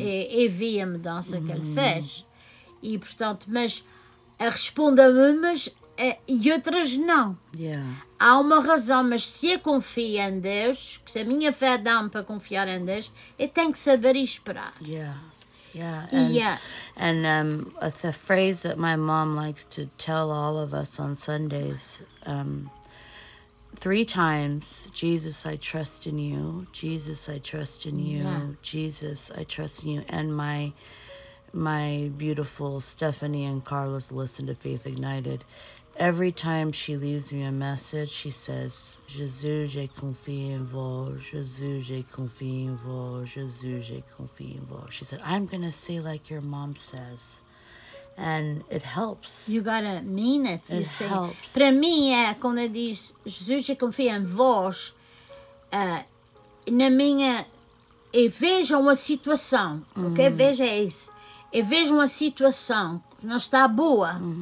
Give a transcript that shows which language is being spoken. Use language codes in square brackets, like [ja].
[pt] Eu vi a mudança que ele fez. E, portanto, mas responda-me, mas e outras não. [en] Yeah. [pt] Há uma razão, mas se eu confio em Deus, se a minha fé dá-me para confiar em Deus, eu tenho que saber esperar. [en] The phrase that my mom likes to tell all of us on Sundays, three times, Jesus, I trust in you. Jesus, I trust in you. Yeah. Jesus, I trust in you. And my beautiful Stephanie and Carlos listen to Faith Ignited. Every time she leaves me a message, she says, [fr] Jesus, je confie en vous. Jesus, je confie en vous. Jesus, je confie en vous. [en] She said, I'm going to say like your mom says. And it helps. You got to mean it. It helps. [pt] Para mim, quando ela diz, [fr] Jesus, je confie en vous, [pt] eu vejo uma situação. O que eu vejo é isso. Eu vejo uma situação que não está boa.